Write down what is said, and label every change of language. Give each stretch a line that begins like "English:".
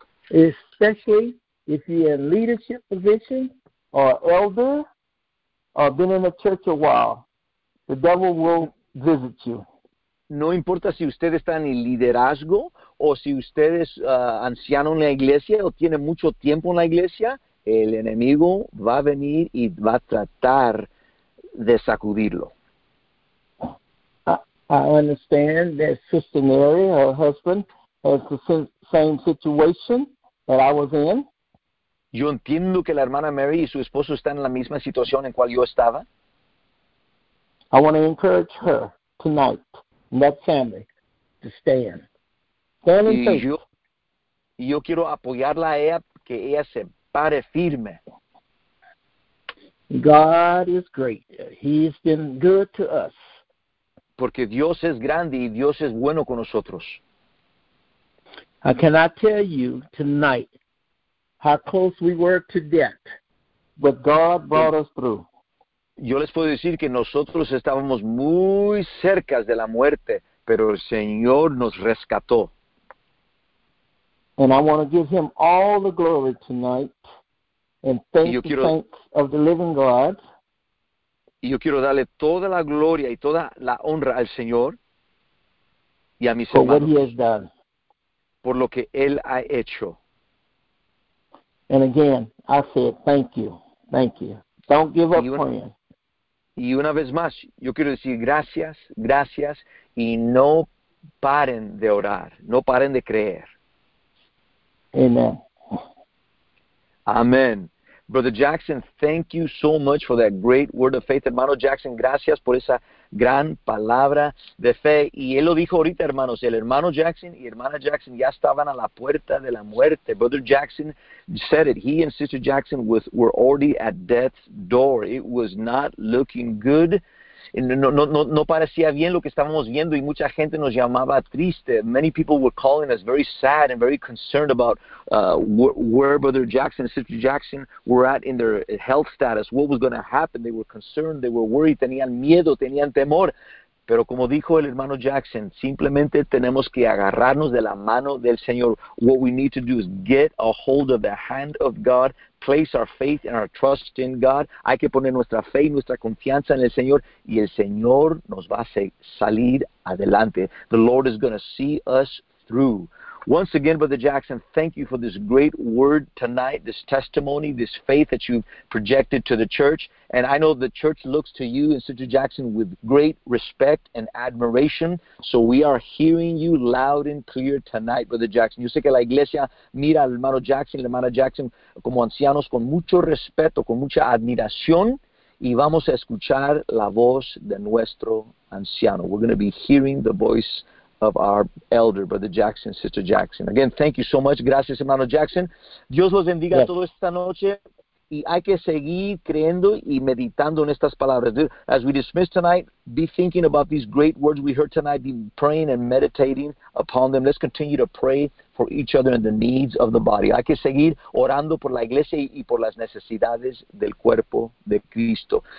English: Especially if you're in leadership position or elder or been in a church a while, the devil will visit you.
Spanish: No importa si usted está en el liderazgo o si usted es anciano en la iglesia o tiene mucho tiempo en la iglesia. El enemigo va a venir y va a tratar de sacudirlo.
English: I understand that Sister Mary, her husband, has the same situation that I was in.
Spanish: Yo entiendo que la hermana Mary y su esposo están en la misma situación en cual yo estaba.
English: I want to encourage her tonight, and that family, to stand. Stand and faith.
Spanish: Yo quiero apoyarla a ella, que ella se pare firme.
English: God is great. He has been good to us.
Spanish: Porque Dios es grande y Dios es bueno con nosotros.
English: I cannot tell you tonight how close we were to death, but God brought us through.
Spanish: Yo les puedo decir que nosotros estábamos muy cerca de la muerte, pero el Señor nos rescató.
English: And I want to give him all the glory tonight and thank the saints of the living God.
Spanish: Y yo quiero darle toda la gloria y toda la honra al Señor y a mis
English: for
Spanish: hermanos
English: what he has done.
Spanish: Por lo que él ha hecho.
English: And again, I said, thank you, thank you. Don't give up praying.
Spanish: Y una vez más, yo quiero decir gracias, gracias, y no paren de orar, no paren de creer.
English: Amen. Amen. Brother Jackson, thank you so much for that great word of faith.
Spanish: Hermano Jackson, gracias por esa gran palabra de fe. Y él lo dijo ahorita, hermanos, el hermano Jackson y hermana Jackson ya estaban a la puerta de la muerte.
English: Brother Jackson said it. He and Sister Jackson were already at death's door. It was not looking good.
Spanish: No parecía bien lo que estábamos viendo y mucha gente nos llamaba triste.
English: Many people were calling us very sad and very concerned about where Brother Jackson and Sister Jackson were at in their health status, what was going to happen. They were concerned, they were worried,
Spanish: tenían miedo, tenían temor. Pero como dijo el hermano Jackson, simplemente tenemos que agarrarnos de la mano del Señor.
English: What we need to do is get a hold of the hand of God, place our faith and our trust in God.
Spanish: Hay que poner nuestra fe y nuestra confianza en el Señor, y el Señor nos va a salir adelante.
English: The Lord is going to see us through. Once again, Brother Jackson, thank you for this great word tonight, this testimony, this faith that you've projected to the church. And I know the church looks to you and Sister Jackson with great respect and admiration. So we are hearing you loud and clear tonight, Brother Jackson.
Spanish: Yo sé que la iglesia mira al hermano Jackson, la hermana Jackson, como ancianos con mucho respeto, con mucha admiración. Y vamos a escuchar la voz de nuestro anciano.
English: We're going to be hearing the voice of our elder, Brother Jackson, Sister Jackson. Again, thank you so much.
Spanish: Gracias, hermano Jackson. Dios los bendiga a todos esta noche. Y hay que seguir creyendo y meditando en estas palabras.
English: As we dismiss tonight, be thinking about these great words we heard tonight, be praying and meditating upon them. Let's continue to pray for each other and the needs of the body.
Spanish: Hay que seguir orando por la iglesia y por las necesidades del cuerpo de Cristo.